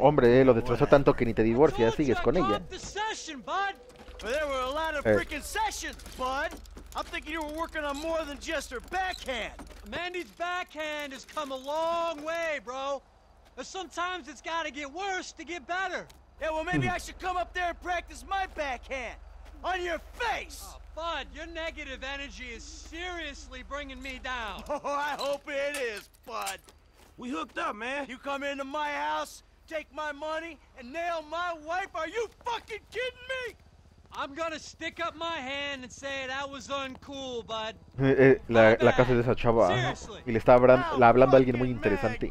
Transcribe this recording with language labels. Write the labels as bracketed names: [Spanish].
[Spanish] Hombre, lo destrozó tanto que ni te divorcias, sigues con ella. [English] The session, bud. Well, there were a lot of freaking sessions, bud. I'm thinking you were working on more than just her backhand. Mandy's backhand has come a long way, bro. But sometimes it's gotta get worse to get better. Yeah, well, maybe I should come up there and practice my backhand on your face. Bud, your negative energy is seriously bringing me down. Oh, I hope it is, Bud. We hooked up, man. You come into my house, take my money, and nail my wife? Are you fucking kidding me? I'm gonna stick up my hand and say that was uncool, Bud. [Spanish] La casa de esa chava. [English] Seriously. [Spanish] Y le está hablando a alguien muy interesante.